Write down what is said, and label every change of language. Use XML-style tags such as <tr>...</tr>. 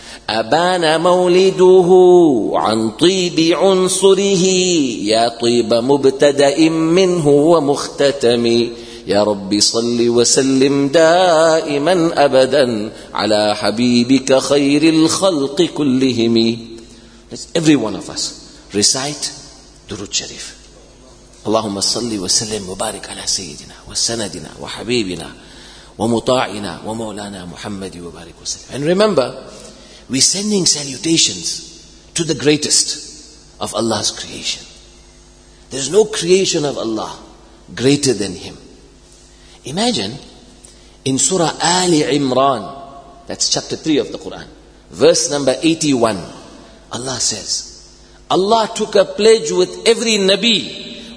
<ar>أبان مولده عن طيب عنصره، يا طيب مبتدأ منه ومختتم، يا ربي صل وسلم دائما أبدا على حبيبك خير الخلق كلهم.</ar> <en>Let every one of us recite درود شريف.</en> <ar>اللهم صل وسلم وبارك على سيدنا وسندنا وحبيبنا ومطاعنا ومولانا محمد وبارك وسلم.</ar> <en>And remember, we sending salutations to the greatest of Allah's creation. There is no creation of Allah greater than Him. Imagine in Surah Ali Imran, that's chapter 3 of the Quran, verse number 81, Allah says, Allah took a pledge with every Nabi.</en>